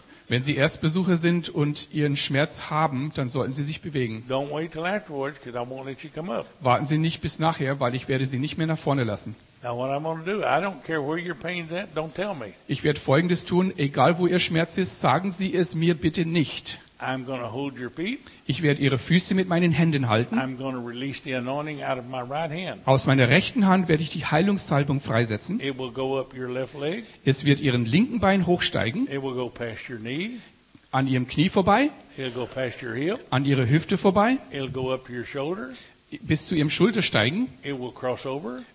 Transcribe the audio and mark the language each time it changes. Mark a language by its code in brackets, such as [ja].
[de] Wenn sie Erstbesucher sind und ihren Schmerz haben, dann sollten sie sich bewegen. [en] Don't wait till afterwards, 'cause I won't let you come up. [de] Warten sie nicht bis nachher, weil ich werde sie nicht mehr nach vorne lassen. Ich werde Folgendes tun, egal wo ihr Schmerz ist, sagen sie es mir bitte nicht. [en] I'm going to hold your feet. [de] Ich werde ihre Füße mit meinen Händen halten. [en] I'm going to release the anointing out of my right hand. [de] Aus meiner rechten Hand werde ich die Heilungssalbung freisetzen. [en] It will go up your left leg. [de] Es wird ihren linken Bein hochsteigen. [en] It will go past your knee. [de] An ihrem Knie vorbei. [en] It'll go past your hip. [de] An ihrer Hüfte vorbei. [en] It'll go up your shoulder. [de] Bis zu ihrem Schulter steigen. [en] It will cross over.